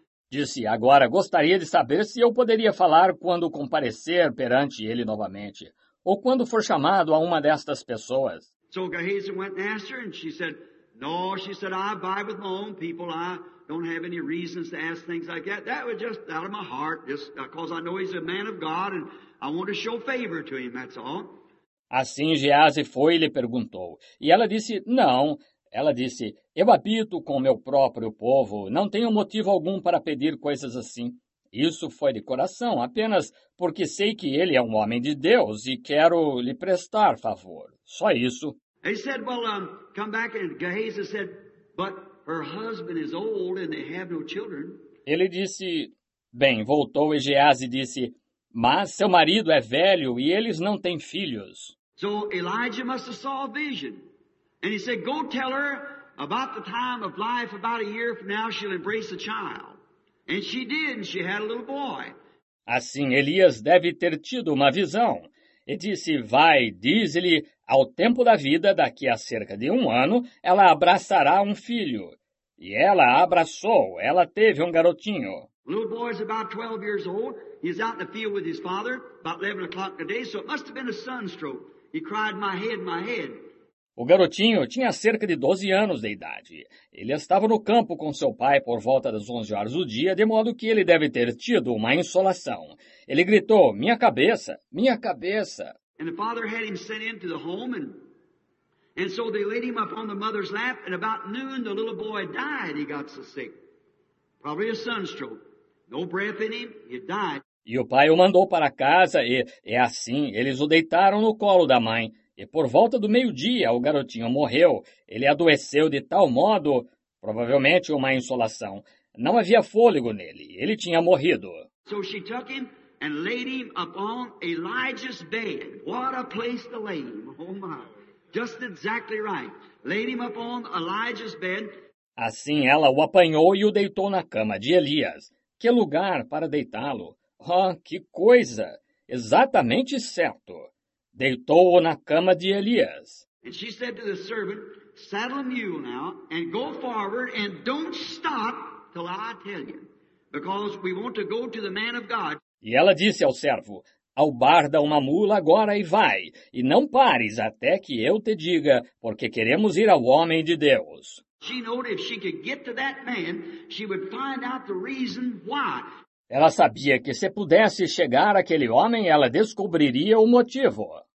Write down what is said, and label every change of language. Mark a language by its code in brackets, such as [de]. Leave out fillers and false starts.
[pt] Disse, agora gostaria de saber se eu poderia falar quando comparecer perante ele novamente, ou quando for chamado a uma destas pessoas. [en] So Gehazi went and asked her, and she said, no, she said, I abide with my own people, I don't have any reasons to ask things like that. That was just out of my heart, just because I know he's a man of God, and I want to show favor to him, that's all. [pt] Assim Gehazi foi e lhe perguntou. E ela disse, não. Ela disse, eu habito com o meu próprio povo. Não tenho motivo algum para pedir coisas assim. Isso foi de coração, apenas porque sei que ele é um homem de Deus e quero lhe prestar favor. Só isso. [en] He said, well, come back, and Gehazi said, but her husband is old and they have no children. [pt] Ele disse, bem, voltou e Geazi disse, mas seu marido é velho e eles não têm filhos. [en] So Elijah must have saw a vision. And he said, go tell her about the time of life, about a year from now she'll embrace a child. And she did, and she had a little boy. [pt] Assim, Elias deve ter tido uma visão. E disse, vai, diz-lhe, ao tempo da vida, daqui a cerca de um ano, ela abraçará um filho. E ela abraçou, ela teve um garotinho. [en] The little boy is about 12 years old. He's out in the field with his father, about 11 o'clock today, so it must have been a sunstroke. He cried, my head, my head. [pt] O garotinho tinha cerca de 12 anos de idade. Ele estava no campo com seu pai por volta das 11 horas do dia, de modo que ele deve ter tido uma insolação. Ele gritou, minha cabeça, minha cabeça. [en] And the father had him sent into the home, and so they laid him up on the mother's lap, and about noon the little boy died, he got so sick. Probably a sunstroke. No breath in him, he died. [pt] E o pai o mandou para casa, e assim eles o deitaram no colo da mãe. E por volta do meio-dia, o garotinho morreu. Ele adoeceu de tal modo, provavelmente uma insolação. Não havia fôlego nele. Ele tinha morrido. [en] So she took him and laid him upon Elijah's bed. What a place to lay him. Oh my. Just exactly right. Laid him upon Elijah's bed. [pt] Assim ela o apanhou e o deitou na cama de Elias. Que lugar para deitá-lo? Oh, que coisa! Exatamente certo. Deitou-o na cama de Elias. [en] And she said to the servant, saddle a mule now and go forward and don't stop till I tell you, because we want to go to the man of God. [pt] E ela disse ao servo, albarda uma mula agora e vai, e não pares até que eu te diga, porque queremos ir ao homem de Deus. [en] She knew if she could get to that man, she would find out the reason why. [pt] Ela sabia que se pudesse chegar àquele homem, ela descobriria o motivo.